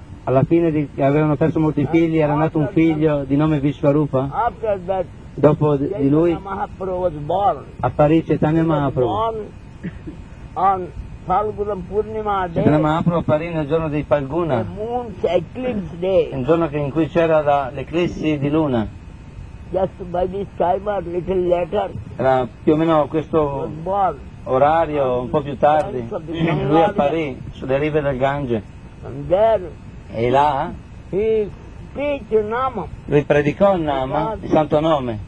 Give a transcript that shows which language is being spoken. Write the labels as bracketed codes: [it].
[it] alla fine di, avevano perso molti figli, era nato un figlio di nome Vishwarupa. Dopo di lui apparì Chaitanya Mahaprabhu. Chaitanya Mahaprabhu apparì nel giorno di Falguna, il giorno in cui c'era l'eclissi di luna. [en] Just by this time, little later, [it] era più o meno questo orario, un po' più tardi, lui apparì sulle rive del Gange. [en] And there, [it] e là, [en] he preached Nama, [it] lui predicò il Nama, il santo nome.